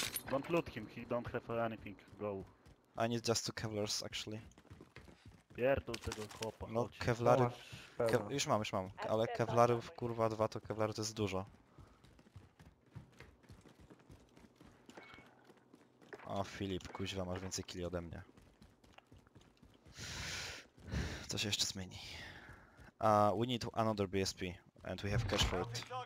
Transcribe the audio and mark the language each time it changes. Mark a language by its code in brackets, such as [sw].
[en] Don't loot him, he don't have anything, go. I need just two Kevlars actually. [pl] Pierdol tego chłopa. No Kevlary... Już mam, ale Kevlarów kurwa dwa, to Kevlary to jest dużo. O Filip, kuźwa, masz więcej killi ode mnie. To się jeszcze zmieni. [en] We need another BSP and we have cash for it.